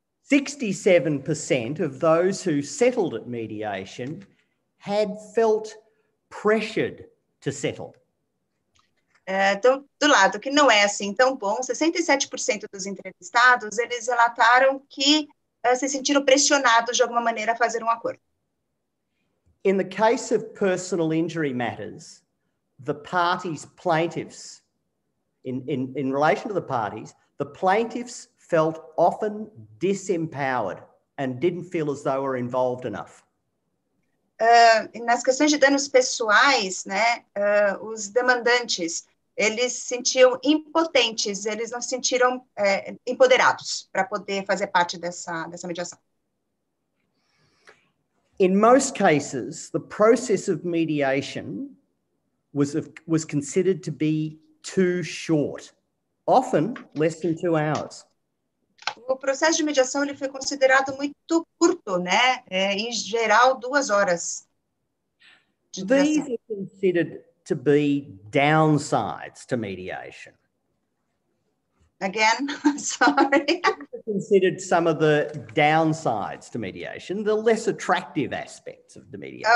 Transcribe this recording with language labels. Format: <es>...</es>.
<en>67% of those who settled at mediation had felt pressured to settle.</en> <pt>Do lado que não é assim tão bom, 67% dos entrevistados, eles relataram que se sentiram pressionados de alguma maneira a fazer um acordo.</pt> <en>In the case of personal injury matters, the parties plaintiffs, in relation to the parties, the plaintiffs felt often disempowered and didn't feel as though were involved enough.</en> <pt>Nas questões de danos pessoais, né, os demandantes, eles se sentiam impotentes, eles não se sentiram empoderados para poder fazer parte dessa mediação.</pt> <en>In most cases, the process of mediation was considered to be too short, often less than 2 hours.</en> <pt>O processo de mediação ele foi considerado muito curto, né? Em geral, 2 horas.</pt> <en>These are considered to be downsides to mediation. Again, sorry. Considered some of the downsides to mediation, the less attractive aspects of the mediation.</en>